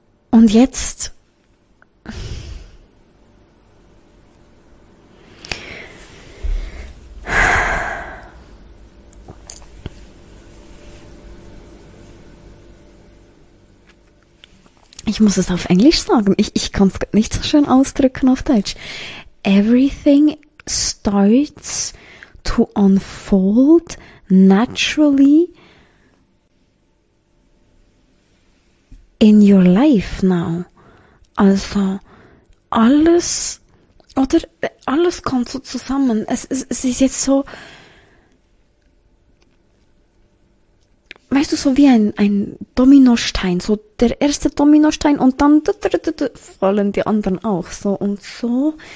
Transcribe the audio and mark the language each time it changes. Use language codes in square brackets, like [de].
[de] Und jetzt ich muss es auf Englisch sagen. Ich kann es nicht so schön ausdrücken auf Deutsch. [en] Everything starts to unfold naturally in your life now. [de] Also alles, oder alles kommt so zusammen. Es ist jetzt so, weißt du, so wie ein Dominostein, so der erste Dominostein und dann fallen die anderen auch so. Und so